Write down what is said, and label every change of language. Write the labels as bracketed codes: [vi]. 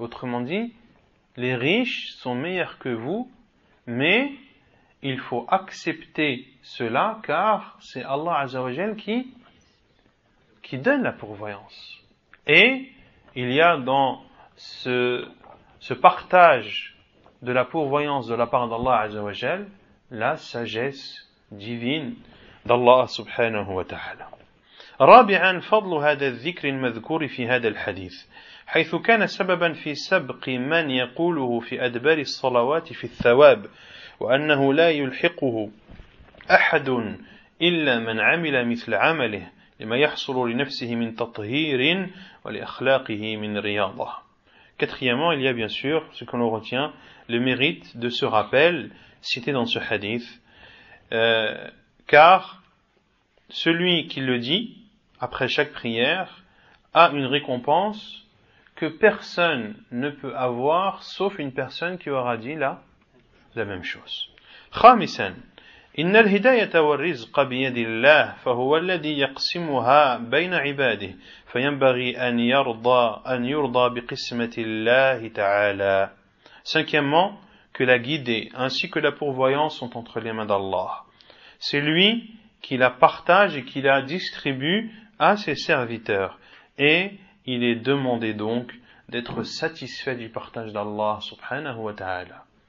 [fr] Autrement dit, les riches sont meilleurs que vous, mais il faut accepter cela car c'est Allah Azza wa Jal qui donne la pourvoyance. Et il y a dans ce partage de la pourvoyance de la part d'Allah Azza wa Jal la sagesse divine d'Allah subhanahu wa ta'ala. [ar] رابعا فضل هذا الذكر المذكور في هذا الحديث حيث كان سببا في سبق من يقوله في أدبار الصلوات في الثواب وأنه لا يلحقه أحد إلا من عمل مثل عمله لما يحصل لنفسه من تطهير ولأخلاقه من رياضة. [fr] Quatrièmement, il y a bien sûr ce que l'on retient, le mérite de ce rappel cité dans ce hadith, car celui qui le dit après chaque prière a une récompense que personne ne peut avoir sauf une personne qui aura dit la même chose. [ar] خامسا إن الهداية والرزق بيد الله فهو الذي يقسمها بين عباده فينبغي أن يرضى بقسمة الله تعالى. [fr] Cinquièmement, que la guidée ainsi que la pourvoyance sont entre les mains d'Allah. C'est lui qui la partage et qui la distribue à ses serviteurs. Et il est demandé donc d'être satisfait du partage d'Allah subhanahu wa ta'ala.